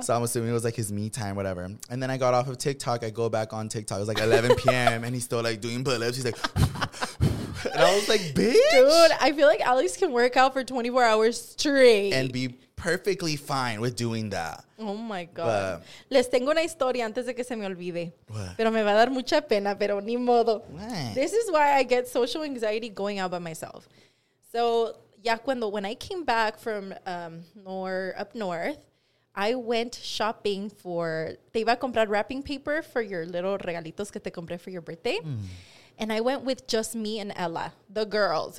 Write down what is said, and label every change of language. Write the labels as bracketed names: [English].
[English] So I'm assuming it was like his me time, whatever. And then I got off of TikTok. I go back on TikTok. It was like 11 p.m. and he's still like doing pull-ups. He's like, and I was like, bitch. Dude, I feel like Alex can work out for 24 hours straight. And be perfectly fine with doing that. Oh my God. But, [Spanish] les tengo una historia antes de que se me olvide. [English] What? [Spanish] Pero me va a dar mucha pena, pero ni modo. [English] What? This is why I get social anxiety going out by myself. So, [Spanish] ya cuando, [English] when I came back from up north, I went shopping for, [Spanish] te iba a comprar [English] wrapping paper for your little [Spanish] regalitos que te compré [English] for your birthday. Mm. And I went with just me and Ella, the girls.